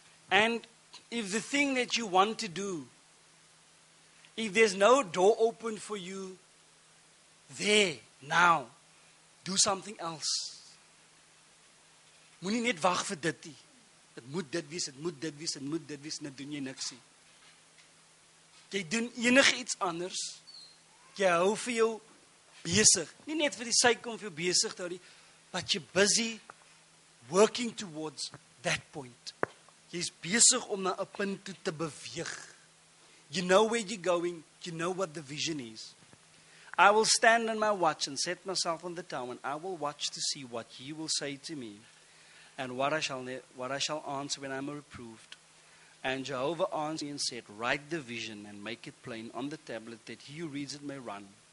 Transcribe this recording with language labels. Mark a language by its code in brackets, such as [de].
[en] And if the thing that you want to do, if there's no door open for you, there, now, do something else. [af] Moenie net wag vir dit nie. Dit moet dit wees, dit moet dit wees, dit moet dit wees, en dit doen jy niks nie. Jy doen enig iets anders. Jy hou vir jou besig. Nie net vir die syk om vir jou besig te hou nie, [en] but you're busy working towards that point. [af] Jy is besig om na 'n punt toe te beweeg. [en] You know where you're going, you know what the vision is. I will stand on my watch and set myself on the tower, and I will watch to see what ye will say to me, and what I shall answer when I am reproved. And Jehovah answered me and said, write the vision and make it plain on the tablet, that he who reads it may run.